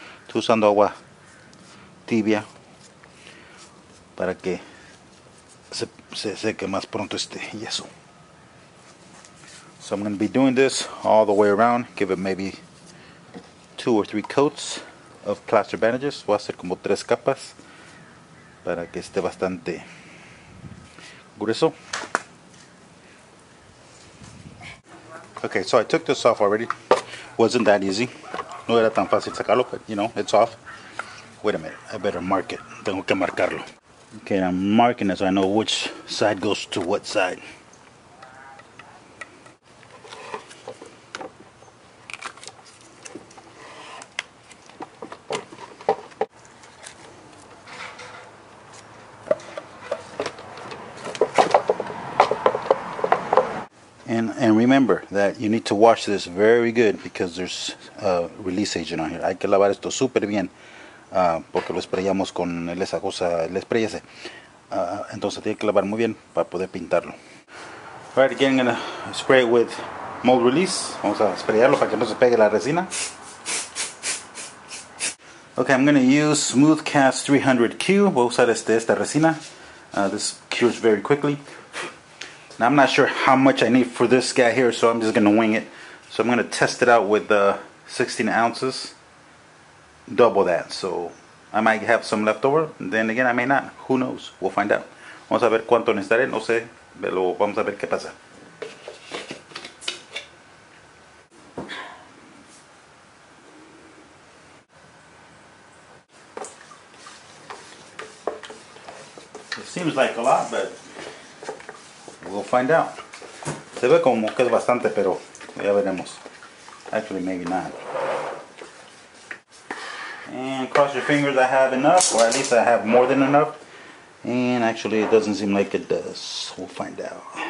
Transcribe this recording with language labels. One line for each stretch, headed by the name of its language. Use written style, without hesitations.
Spanish: Estoy usando agua tibia para que se seque más pronto este yeso.
English: So I'm going to be doing this all the way around. Give it maybe 2 or 3 coats of plaster bandages.
Spanish: Voy a hacer como 3 capas para que esté bastante grueso.
English: Okay, so I took this off already. Wasn't that easy.
Spanish: No era tan fácil sacarlo,
English: but you know, it's off. Wait a minute, I better mark it.
Spanish: Tengo que marcarlo.
English: Okay, I'm marking it so I know which side goes to what side. And remember that you need to wash this very good because there's a release agent on here.
Spanish: Hay que lavar esto súper bien porque lo sprayamos con esa cosa, el spray ese. Entonces tiene que lavar muy bien para poder pintarlo.
English: All right, again, I'm gonna spray it with mold release.
Spanish: Vamos a sprayarlo para que no se pegue la resina.
English: Okay, I'm gonna use Smooth Cast 300Q.
Spanish: Voy a usar esta resina.
English: This cures very quickly. Now, I'm not sure how much I need for this guy here, so I'm just going to wing it. So I'm going to test it out with 16 ounces, double that. So I might have some leftover, then again, I may not. Who knows? We'll find out.
Spanish: Vamos a ver cuánto necesitaré. No sé, pero vamos a ver qué pasa.
English: It seems like a lot, but... we'll find out.
Spanish: Se ve como que es bastante, pero ya veremos.
English: Actually, maybe not. And cross your fingers I have enough, or at least I have more than enough. And actually, it doesn't seem like it does. We'll find out.